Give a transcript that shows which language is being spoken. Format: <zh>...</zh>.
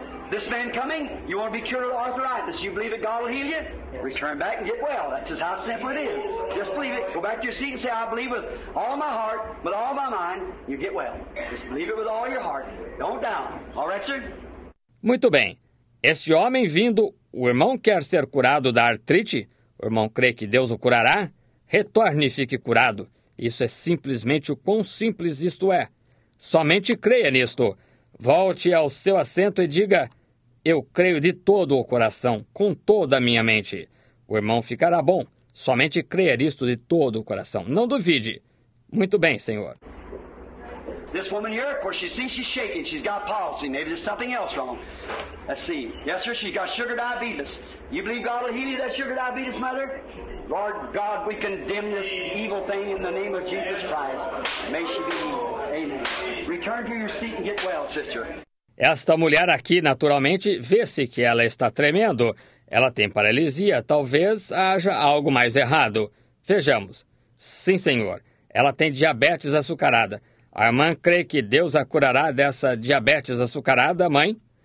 <en>This man coming, you want to be cured of arthritis. You believe that God will heal you? Return back and get well. That's just how simple it is. Just believe it. Go back to your seat and say, I believe with all my heart, with all my mind, you get well. Just believe it with all your heart. Don't doubt. All right, sir?</en> <pt>Muito bem. Este homem vindo, o irmão quer ser curado da artrite? O irmão crê que Deus o curará? Retorne e fique curado. Isso é simplesmente o quão simples isto é. Somente creia nisto. Volte ao seu assento e diga, eu creio de todo o coração, com toda a minha mente. O irmão ficará bom. Somente crer isto de todo o coração. Não duvide. Muito bem, senhor.</pt> <en>This woman here, of course, she sees she's shaking. She's got palsy. Maybe there's something else wrong. Let's see. Yes, sir, she's got sugar diabetes. You believe God will heal you that sugar diabetes, mother? Lord God, we condemn this evil thing in the name of Jesus Christ. May she be healed. Amen. Return to your seat and get well, sister.</en> <pt>Esta mulher aqui, naturalmente, vê-se que ela está tremendo. Ela tem paralisia. Talvez haja algo mais errado. Vejamos. Sim, senhor. Ela tem diabetes açucarada. A irmã crê que Deus a curará dessa diabetes açucarada, mãe?</pt>